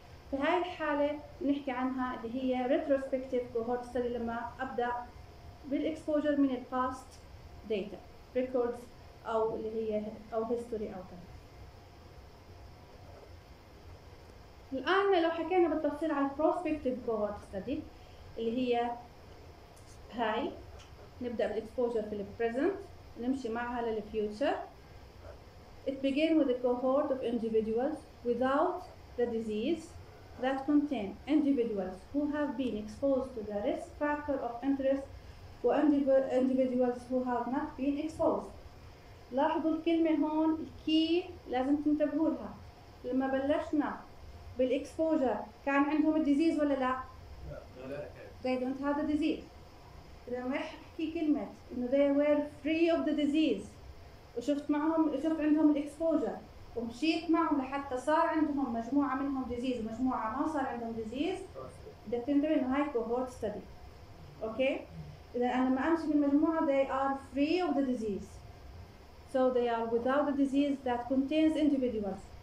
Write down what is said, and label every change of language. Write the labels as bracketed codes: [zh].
[ar] في هاي الحالة نحكي عنها اللي هي retrospective cohort study لما أبدأ بالإكسبوجر من الـ past data records أو اللي هي أو history أو كذا. الآن لو حكينا بالتفصيل على prospective cohort study اللي هي هاي، نبدأ بالإكسبوجر في الـ present نمشي معها للفيوتشر. [en] It began with a cohort of individuals without the disease that contain individuals who have been exposed to the risk factor of interest individuals who have not been exposed. [ar] لاحظوا الكلمة هون الكي لازم تنتبهوا لها. لما بلشنا بالإكسبوجر كان عندهم الديزيز ولا لا؟ لا. [en] They don't have the disease. [ar] لما أحكي كلمة إنه [en] they were free of the disease [ar] وشفت معهم شفت عندهم الإكسبوجر ومشيت معهم لحتى صار عندهم مجموعة منهم ديزيز ومجموعة ما صار عندهم ديزيز بدك تنتبه إنه هاي كوهورت ستدي. أوكي؟ إذا أنا لما أمشي بالمجموعة [en] they are free of the disease. So they are without the disease that contains individuals.